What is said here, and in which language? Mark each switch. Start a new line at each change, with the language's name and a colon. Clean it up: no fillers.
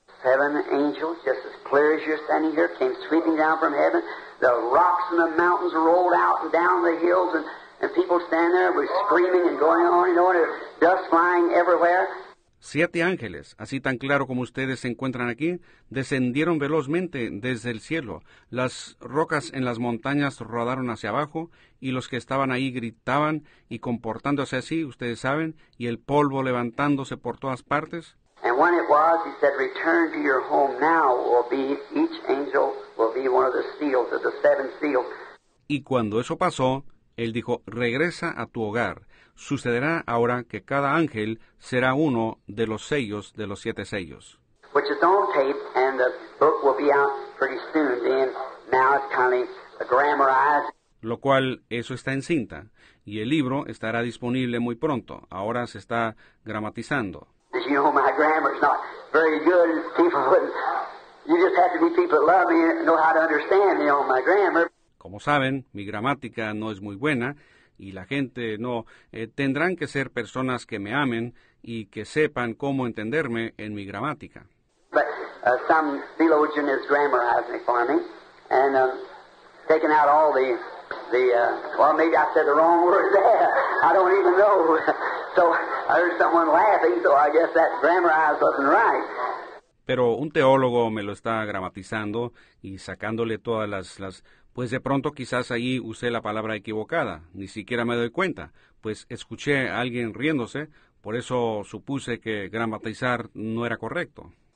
English: 7 angels, just as clear as you're standing here, came sweeping down from heaven. The rocks and the mountains rolled out and down the hills, and people stand there were screaming and going on and on, dust flying everywhere.
Spanish: 7 ángeles, así tan claro como ustedes se encuentran aquí, descendieron velozmente desde el cielo. Las rocas en las montañas rodaron hacia abajo, y los que estaban ahí gritaban, y comportándose así, ustedes saben, y el polvo levantándose por todas partes.
English: And when it was, he said, return to your home now, will be, each angel will be one of the seals, of the 7 seals.
Spanish: Y cuando eso pasó, él dijo, regresa a tu hogar. Sucederá ahora que cada ángel será uno de los sellos de los 7 sellos.
English: Which is on tape, and the book will be out pretty soon. Then, now it's kind of grammarized.
Spanish: Lo cual, eso está en cinta, y el libro estará disponible muy pronto. Ahora se está gramatizando.
English: As you know, my grammar's not very good. People would, you just have to be people that love me and know how to understand me on my grammar.
Spanish: Como saben, mi gramática no es muy buena, y la gente no, tendrán que ser personas que me amen y que sepan cómo entenderme en mi gramática.
English: But some theologian is grammarizing for me, and taking out all the maybe I said the wrong word there, I don't even know. So I heard someone laughing, so I guess that grammarized wasn't right.
Spanish: Pero un teólogo me lo está gramatizando y sacándole todas las... Pues de pronto quizás ahí usé la palabra equivocada, ni siquiera me doy cuenta, pues escuché a alguien riéndose, por eso supuse que gramatizar no era correcto.